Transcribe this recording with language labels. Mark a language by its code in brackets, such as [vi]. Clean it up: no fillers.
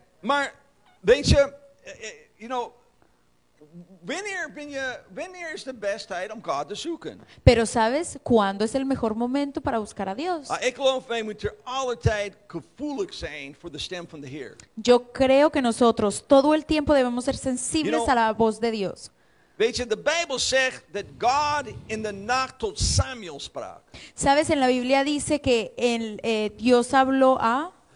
[nl] Maar, weet je, [en] you know, [nl] wanneer is de beste tijd om God te zoeken? [es] Pero sabes cuándo es el mejor momento para buscar a Dios? [nl] Ik geloof dat we ter alle tijd gevoelig zijn voor de stem van de Heer. [es] Yo creo que nosotros todo el tiempo debemos ser sensibles a la voz de Dios. [nl] Weet je, de Bijbel zegt dat God in de nacht tot Samuel sprak. [es] Sabes, en la Biblia dice que el Dios habló a